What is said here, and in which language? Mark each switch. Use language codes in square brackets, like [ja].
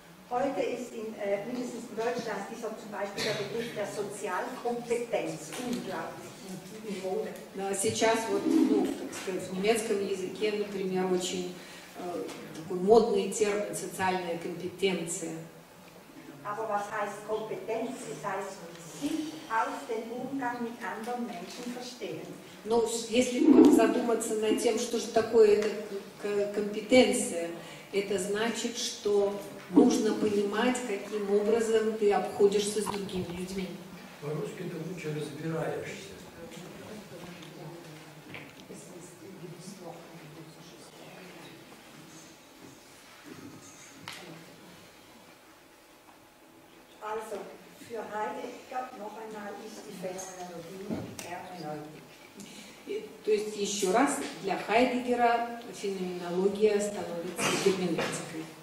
[de] Heute ist in mindestens in Deutschland dieser zum Beispiel der Begriff der Sozialkompetenz unglaublich. [ru] Да, сейчас вот, ну, так сказать, в немецком языке, например, очень такой модный термин социальная компетенция. [de] Aber was heißt Kompetenz? Es heißt sich aus dem Umgang mit anderen Menschen verstehen. [ru] Но если задуматься над тем, что же такое эта компетенция, это значит, что нужно понимать, каким образом ты обходишься с другими людьми. По-русски ты лучше разбираешься. [de] Also, für Heidegger noch einmal ist die Phänomenologie erneut. [ru] То есть еще раз, для Хайдеггера феноменология становится герменевтикой.